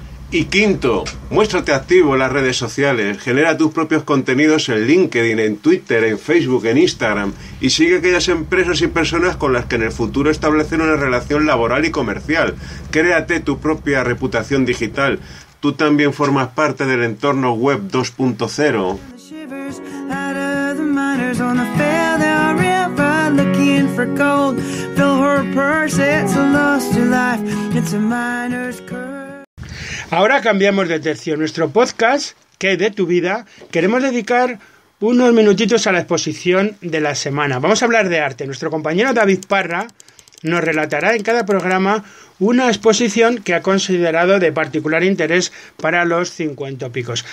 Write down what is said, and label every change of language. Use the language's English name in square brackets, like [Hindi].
[Spanish] Y quinto, muéstrate activo en las redes sociales. Genera tus propios contenidos en LinkedIn, en Twitter, en Facebook, en Instagram. Y sigue aquellas empresas y personas con las que en el futuro establecer una relación laboral y comercial. Créate tu propia reputación digital. Tú también formas parte del entorno web 2.0. [English] Out of the miners on the Fairdale River, looking for gold. Fill her purse, it's a loss to life. It's a miner's curse. [Spanish] Ahora cambiamos de tercio. Nuestro podcast, ¿Qué de tu vida?, queremos dedicar unos minutitos a la exposición de la semana. Vamos a hablar de arte. Nuestro compañero David Parra nos relatará en cada programa una exposición que ha considerado de particular interés para los cincuentópicos.